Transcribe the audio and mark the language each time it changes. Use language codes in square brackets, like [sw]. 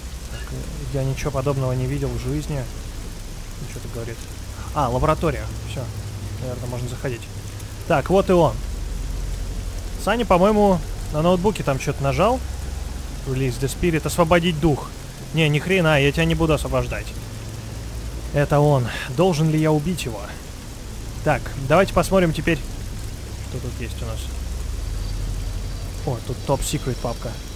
[ru] Так, я ничего подобного не видел в жизни. Что это говорит? А, лаборатория. Все. Наверное, можно заходить. Так, вот и он. Саня, по-моему, на ноутбуке там что-то нажал. [en] Release the spirit, [ru] освободить дух. Не, ни хрена, я тебя не буду освобождать. Это он. Должен ли я убить его? Так, давайте посмотрим теперь, что тут есть у нас. О, тут топ секрет папка.